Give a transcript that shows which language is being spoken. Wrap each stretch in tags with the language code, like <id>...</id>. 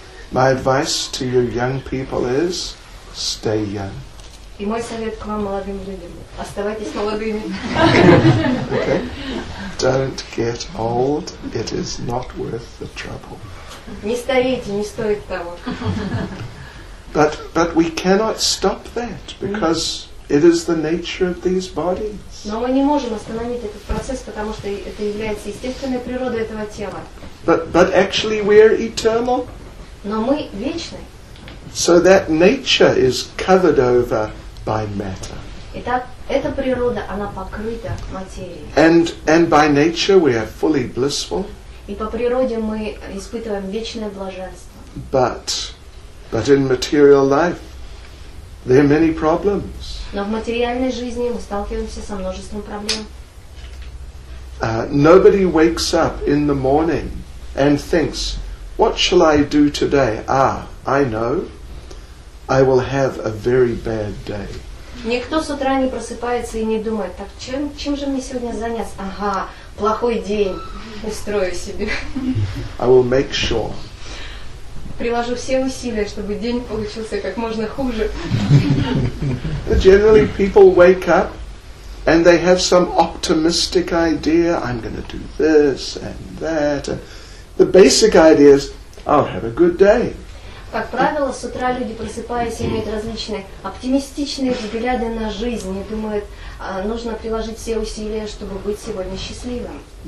<en>My advice to you young people is stay young.</en> <ru>И мой совет к вам, молодым людям, оставайтесь молодыми.</ru> <en>Okay. Don't get old. It is not worth the trouble.</en> <ru>Не старейте, не стоит того.</ru> <en>But we cannot stop that because it is the nature of these bodies.</en> <ru>Но мы не можем остановить этот процесс, потому что это является естественной природой этого тела.</ru> <en>But actually we're eternal.</en> <ru>Но мы вечны.</ru> <en>So that nature is covered over by matter.</en> <ru>Итак, эта природа, она покрыта материей.</ru> <en>And by nature we are fully blissful.</en> <ru>И по природе мы испытываем вечное блаженство.</ru> <en>But in material life, There are many problems.</en> <ru>Но в материальной жизни мы сталкиваемся со множеством проблем.</ru> <en>Nobody wakes up in the morning and thinks, "What shall I do today?" Ah, I know. I will have a very bad day.</en> <ru>Никто с утра не просыпается и не думает, так чем же мне сегодня заняться? Ага, плохой день. Устрою себе.</ru> <en>I will make sure.</en> <ru>Приложу все усилия, чтобы день получился как можно хуже.</ru> <en>Generally people wake up and they have some optimistic idea. I'm going to do this and that. The basic idea is, I'll have a good day.</en> <ru>Как правило, с утра люди, просыпаясь, имеют различные оптимистичные взгляды на жизнь и думают, нужно приложить все усилия, чтобы быть сегодня счастливым.</ru>